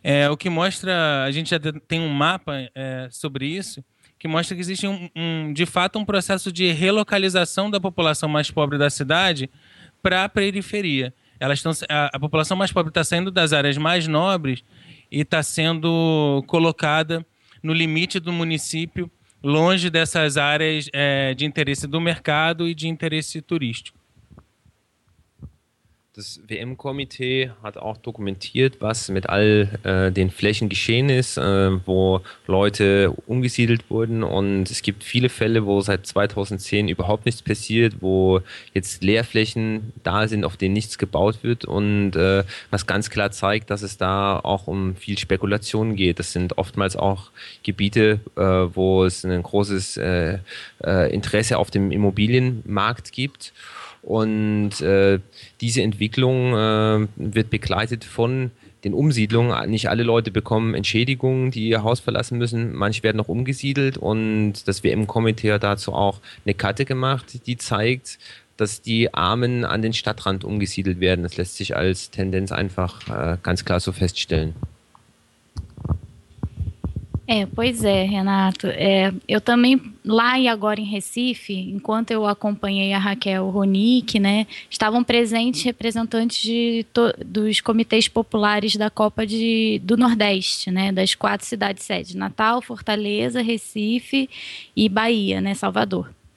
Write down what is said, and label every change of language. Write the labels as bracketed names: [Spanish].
[Portuguese] O que mostra, a gente já tem um mapa sobre isso, que mostra que existe, de fato, um processo de relocalização da população mais pobre da cidade para a periferia. A população mais pobre está saindo das áreas mais nobres e está sendo colocada no limite do município, longe dessas áreas de interesse do mercado e de interesse turístico. [German] Das WM-Komitee hat auch dokumentiert, was mit all den Flächen geschehen ist, wo Leute umgesiedelt wurden. Und es gibt viele Fälle, wo seit 2010 überhaupt nichts passiert, wo jetzt Leerflächen da sind, auf denen nichts gebaut wird. Und was ganz klar zeigt, dass es da auch um viel Spekulation geht. Das sind oftmals auch Gebiete, wo es ein großes Interesse auf dem Immobilienmarkt gibt. Und diese Entwicklung wird begleitet von den Umsiedlungen. Nicht alle Leute bekommen Entschädigungen, die ihr Haus verlassen müssen. Manche werden noch umgesiedelt, und das WM-Komitee hat dazu auch eine Karte gemacht, die zeigt, dass die Armen an den Stadtrand umgesiedelt werden. Das lässt sich als Tendenz einfach ganz klar so feststellen. [Portuguese] Pois é, Renato. Eu também, lá e agora em Recife, enquanto eu acompanhei a Raquel Ronick, né, estavam presentes representantes dos comitês populares da Copa do Nordeste, né, das quatro cidades-sede, Natal, Fortaleza, Recife e Bahia, né, Salvador.